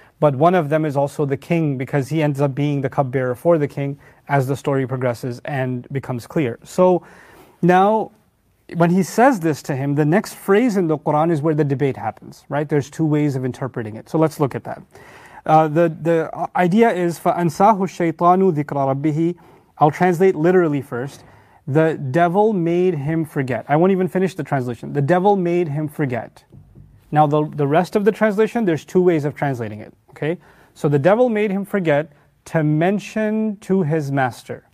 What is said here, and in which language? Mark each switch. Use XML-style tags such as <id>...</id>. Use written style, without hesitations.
<en>But one of them is also the king, because he ends up being the cupbearer for the king as the story progresses and becomes clear. So now, when he says this to him, the next phrase in the Quran is where the debate happens, right? There's two ways of interpreting it. So let's look at that. The idea is,</en> <ar>فَأَنْسَاهُ الشَّيْطَانُ ذِكْرَ رَبِّهِ.</ar> <en>I'll translate literally first. The devil made him forget. I won't even finish the translation. The devil made him forget. Now the rest of the translation, there's two ways of translating it, okay? So the devil made him forget to mention to his master.</en>